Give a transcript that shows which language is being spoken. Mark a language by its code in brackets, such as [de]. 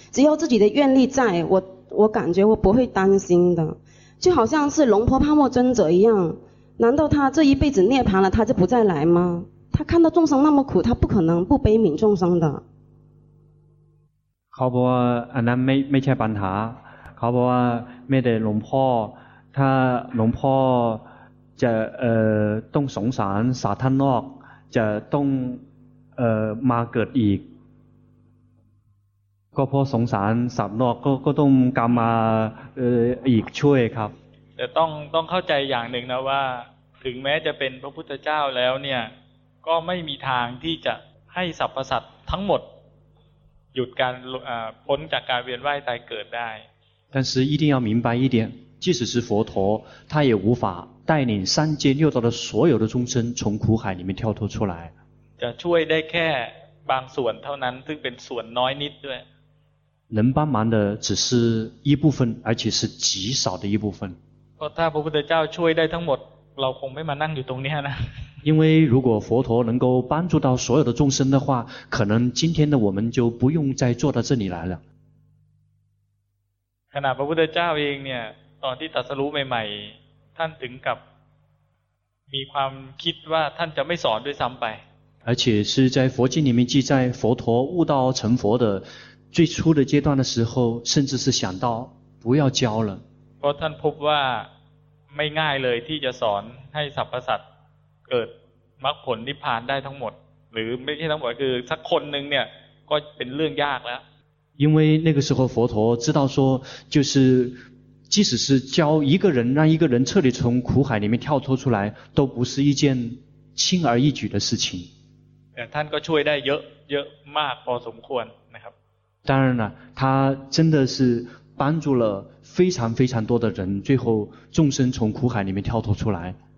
[zh] 只要自己的愿力在，我感觉我不会担心的，就好像是龙婆帕默尊者一样，难道他这一辈子涅槃了他就不再来吗？他看到众生那么苦，他不可能不悲悯众生的。 [th] เขาบอกว่าอันนั้นไม่ใช่ปัญหาเขาบอกว่าไม่ได้หลวงพ่อถ้าหลวงพ่อจะต้องสงสารสาท่านนอกจะต้องมาเกิดอีกก็เพราะสงสารสาท่านนอกก็ต้องกลับมาอีกช่วยครับ แต่ต้องเข้าใจอย่างหนึ่งนะว่าถึงแม้จะเป็นพระพุทธเจ้าแล้วเนี่ยก็ไม่มีทางที่จะให้สรรพสัตว์ทั้งหมดหยุดการพ้นจากการเวียนว่ายตายเกิดได้ [zh] 但是一定要明白一点，即使是佛陀，他也无法带领三界六道的所有的众生从苦海里面跳脱出来。 [th] จะช่วยได้แค่บางส่วนเท่านั้นซึ่งเป็นส่วนน้อยนิดด้วย。 [zh] 能帮忙的只是一部分，而且是极少的一部分。 [th] เพราะถ้าพระพุทธเจ้าช่วยได้ทั้งหมดเราคงไม่มานั่งอยู่ตรงนี้นะ [zh] 因为如果佛陀能够帮助到所有的众生的话可能今天的我们就不用再坐到这里来了 [th] ขณะพระพุทธเจ้าเองเนี่ยตอนที่ตรัสรู้ใหม่ๆท่านถึงกับมีความคิดว่าท่านจะไม่สอนด้วยซ้ำไป [zh] 而且是在佛经里面记载佛陀悟道成佛的最初的阶段的时候甚至是想到不要教了 [th] เพราะท่านพบว่าไม่ง่ายเลยที่จะสอนให้สรรพสัตว์เกิดมรรคผลนิพพานได้ทั้งหมดหรือไม่ใช่ทั้งหมดคือสักคนหนึ่งเนี่ยก็เป็นเรื่องยากแล้ว [zh] 因为那个时候佛陀知道说就是即使是教一个人让一个人彻底从苦海里面跳脱出来都不是一件轻而易举的事情 [th] แต่ท่านก็ช่วยได้เยอะเยอะมากพอสมควรนะครับ [zh] 当然了他真的是帮助了非常非常多的人最后众生从苦海里面跳脱出来